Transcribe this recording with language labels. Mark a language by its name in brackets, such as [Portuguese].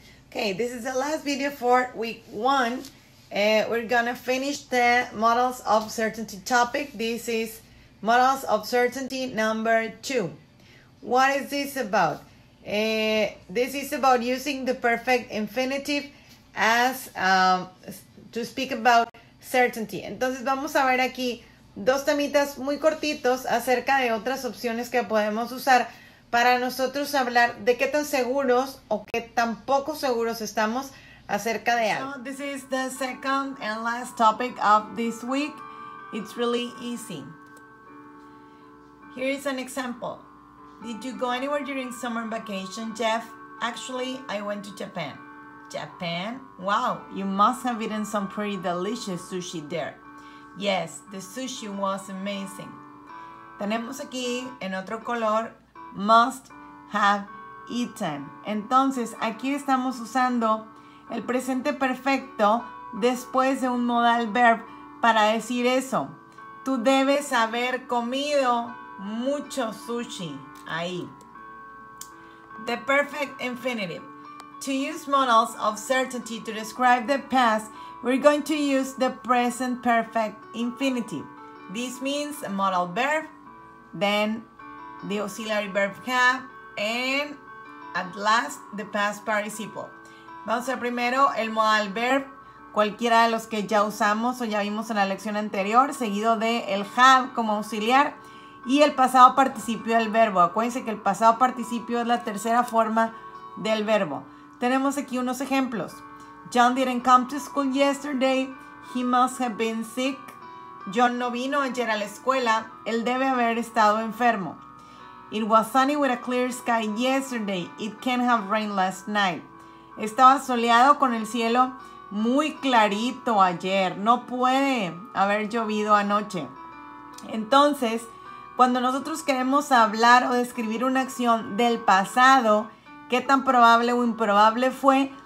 [English] Okay, this is the last video for week one. We're gonna finish the models of certainty topic. This is models of certainty number two. What is this about? This is about using the perfect infinitive as to speak about certainty. [Spanish] Entonces vamos a ver aquí dos temitas muy cortitos acerca de otras opciones que podemos usar para nosotros hablar de qué tan seguros o qué tan poco seguros estamos acerca de algo. [English] So this is the second and last topic of this week. It's really easy. Here is an example. Did you go anywhere during summer vacation, Jeff? Actually, I went to Japan. Japan? Wow, you must have eaten some pretty delicious sushi there. Yes, the sushi was amazing. [Spanish] Tenemos aquí en otro color [English] must have eaten. [Spanish] Entonces, aquí estamos usando el presente perfecto después de un modal verb para decir eso. Tú debes haber comido mucho sushi ahí. [English] The perfect infinitive. To use models of certainty to describe the past, we're going to use the present perfect infinitive. This means a modal verb, then the auxiliary verb have, and at last, the past participle. [Spanish] Vamos a ver primero el modal verb, cualquiera de los que ya usamos o ya vimos en la lección anterior, seguido de el have como auxiliar, y el pasado participio del verbo. Acuérdense que el pasado participio es la tercera forma del verbo. Tenemos aquí unos ejemplos. [English] John didn't come to school yesterday. He must have been sick. [Spanish] John no vino ayer a la escuela. Él debe haber estado enfermo. [English] It was sunny with a clear sky yesterday. It can't have rained last night. [Spanish] Estaba soleado con el cielo muy clarito ayer. No puede haber llovido anoche. Entonces, cuando nosotros queremos hablar o describir una acción del pasado, ¿qué tan probable o improbable fue?